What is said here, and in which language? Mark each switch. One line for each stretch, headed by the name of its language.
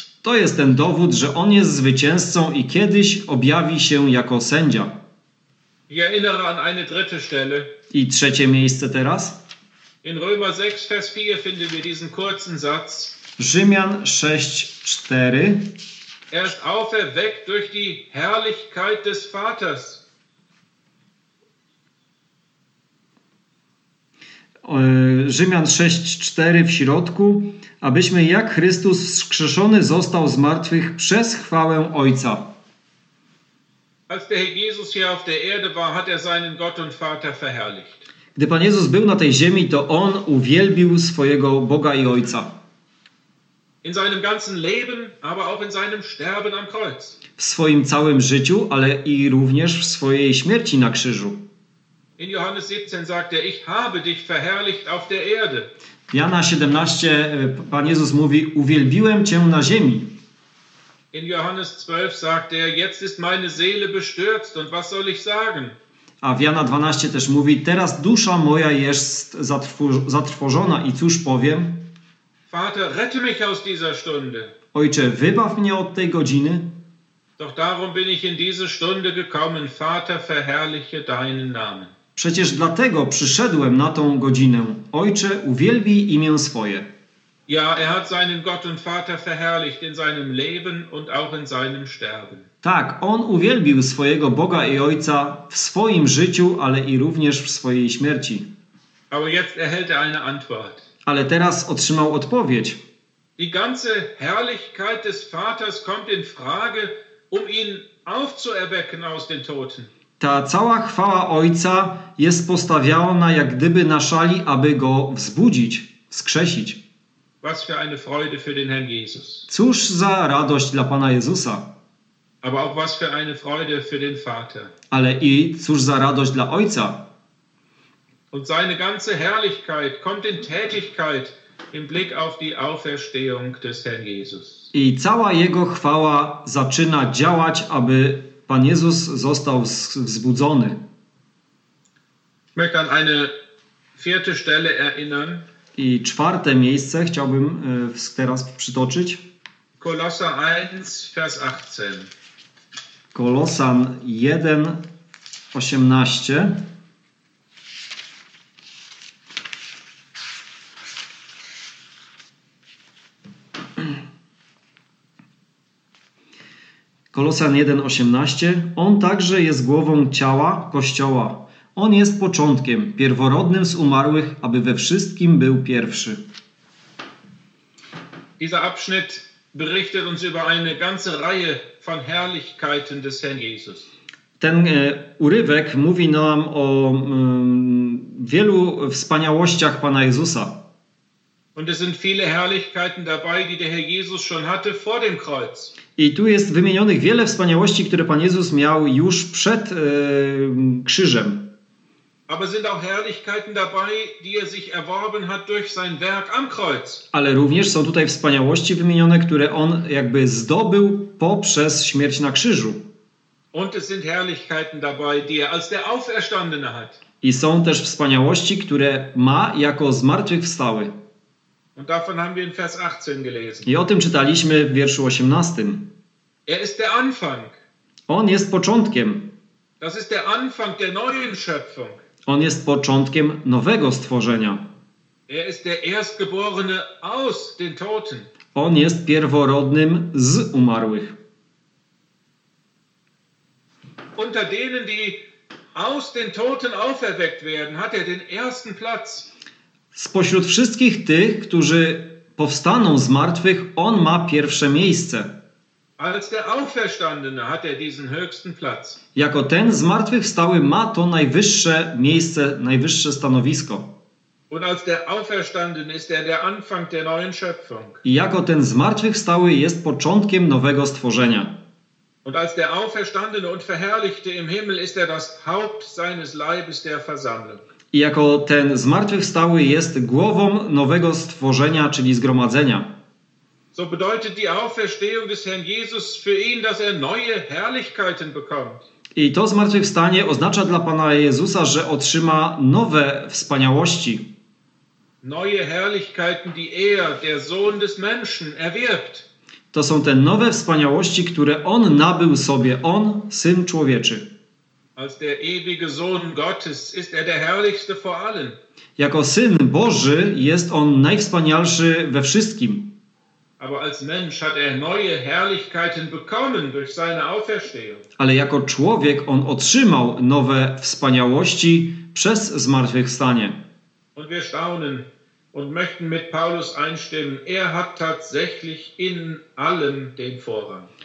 Polish: To jest ten dowód, że on jest zwycięzcą i kiedyś objawi się jako sędzia.
German: Ich erinnere an eine dritte Stelle.
Polish: I trzecie miejsce teraz.
German: In Römer 6, Vers 4 finden wir diesen kurzen Satz.
Polish: Rzymian 6, 4.
German: Er ist auferweckt durch die Herrlichkeit des Vaters.
Polish: Rzymian 6, 4 w środku. Abyśmy jak Chrystus wskrzeszony został z martwych przez chwałę Ojca.
German: Als der Herr Jesus hier auf der Erde war, hat er seinen Gott und Vater verherrlicht.
Polish: Gdy Pan Jezus był na tej ziemi, to On uwielbił swojego Boga i Ojca.
German: In seinem ganzen Leben, aber auch in seinem Sterben am Kreuz.
Polish: W swoim całym życiu, ale i również w swojej śmierci na krzyżu.
German: In Johannes 17 sagt er, ich habe dich verherrlicht auf der Erde.
Polish: Jana 17, Pan Jezus mówi, uwielbiłem Cię na ziemi.
German: In Johannes 12 sagt er, jetzt ist meine Seele bestürzt und was soll ich sagen?
Polish: A w Jana 12 też mówi, teraz dusza moja jest zatrwożona i cóż powiem?
German: Vater, rette mich aus dieser Stunde.
Polish: Ojcze, wybaw mnie od tej godziny.
German: Doch darum bin ich in diese Stunde gekommen, Vater, verherrliche deinen Namen.
Polish: Przecież dlatego przyszedłem na tą godzinę. Ojcze, uwielbij imię swoje.
German: Ja, er hat seinen Gott und Vater verherrlicht in seinem Leben und auch in seinem Sterben.
Polish: Tak, on uwielbił swojego Boga i Ojca w swoim życiu, ale i również w swojej śmierci.
German: Aber jetzt erhält er eine Antwort.
Polish: Ale teraz otrzymał odpowiedź.
German: Die ganze Herrlichkeit des Vaters kommt in Frage, um ihn aufzuerwecken aus den Toten.
Polish: Ta cała chwała Ojca jest postawiona jak gdyby na szali, aby go wzbudzić, wskrzesić.
German: Was für eine Freude für den Herrn Jesus.
Polish: Cóż za radość dla Pana Jezusa.
German: Aber auch was für eine Freude für den Vater.
Polish: Ale i cóż za radość dla Ojca.
German: Und seine ganze Herrlichkeit kommt in Tätigkeit im Blick auf die Auferstehung des Herrn Jesus.
Polish: I cała jego chwała zaczyna działać, aby Pan Jezus został wzbudzony.
German: Ich möchte an eine vierte Stelle erinnern.
Polish: I czwarte miejsce chciałbym teraz przytoczyć.
German: Kolosa 1, Vers 18.
Polish: Kolosan 1, 18. Kolosan 1:18. On także jest głową ciała Kościoła. On jest początkiem, pierworodnym z umarłych, aby we wszystkim był pierwszy.
German: Dieser Abschnitt berichtet uns über eine ganze Reihe von Herrlichkeiten des Herrn Jesus.
Polish: Ten urywek mówi nam o wielu wspaniałościach Pana Jezusa.
German: Und es sind viele Herrlichkeiten dabei, die der Herr Jesus schon hatte vor dem Kreuz.
Polish: I tu jest wymienionych wiele wspaniałości, które Pan Jezus miał już przed krzyżem.
German: Aber sind auch Herrlichkeiten dabei, die er sich erworben hat durch sein Werk am Kreuz.
Polish: Ale również są tutaj wspaniałości wymienione, które on jakby zdobył poprzez śmierć na krzyżu.
German: Und es sind Herrlichkeiten dabei, die er als der Auferstandene hat.
Polish: I są też wspaniałości, które ma jako zmartwychwstały.
German: Und davon haben wir in Vers 18 gelesen.
Polish: I o tym czytaliśmy w wierszu 18.
German: Er ist der Anfang.
Polish: On jest początkiem.
German: Das ist der Anfang der neuen Schöpfung.
Polish: On jest początkiem nowego stworzenia.
German: Er ist der Erstgeborene aus den Toten.
Polish: On jest pierworodnym z umarłych.
German: Unter denen, die aus den Toten auferweckt werden, hat er den ersten Platz.
Polish: Spośród wszystkich tych, którzy powstaną z martwych, on ma pierwsze miejsce.
German: Als der Auferstandene hat er diesen höchsten Platz.
Polish: Jako ten zmartwychwstały ma to najwyższe miejsce, najwyższe stanowisko.
German: Und als der Auferstandene ist er der Anfang der neuen Schöpfung.
Polish: I jako ten zmartwychwstały jest początkiem nowego stworzenia.
German: Und als der Auferstandene und Verherrlichte im Himmel ist er das Haupt seines Leibes der Versammlung.
Polish: I jako ten zmartwychwstały jest głową nowego stworzenia, czyli zgromadzenia.
German: So bedeutet die Auferstehung des Herrn Jesus für ihn, dass er neue Herrlichkeiten bekommt.
Polish: I to zmartwychwstanie oznacza dla Pana Jezusa, że otrzyma nowe wspaniałości.
German: Neue Herrlichkeiten, die er, der Sohn des Menschen, erwirbt.
Polish: To są te nowe wspaniałości, które on nabył sobie, on, Syn Człowieczy.
German: Als der ewige Sohn Gottes ist er der herrlichste vor allen.
Polish: Jako Syn Boży jest on najwspanialszy we wszystkim.
German: Aber als Mensch hat er neue Herrlichkeiten bekommen durch seine Auferstehung.
Polish: Ale jako człowiek on otrzymał nowe wspaniałości przez zmartwychwstanie.
German: Und wir staunen und möchten mit Paulus einstimmen. Er hat tatsächlich in allem den Vorrang.